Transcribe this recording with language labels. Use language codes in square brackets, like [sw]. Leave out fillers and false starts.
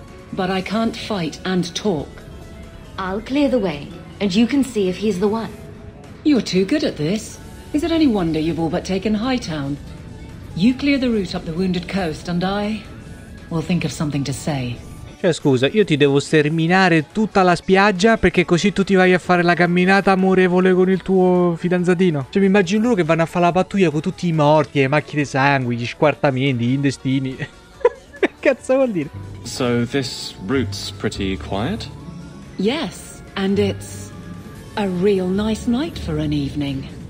[en] But I can't fight and talk. I'll clear the way, and you can see if he's the one. You're too good at this. Is it any wonder you've all but taken Hightown? You clear the route up the wounded coast, and I will think of something to say. [it] Cioè, scusa, io ti devo sterminare tutta la spiaggia perché così tu ti vai a fare la camminata amorevole con il tuo fidanzatino. Cioè, mi immagino loro che vanno a fare la pattuglia con tutti i morti, le macchie di sangue, gli squartamenti, gli intestini. Che cazzo vuol dire? [en] So this route's pretty quiet? Yes, and it's a real nice night for an evening.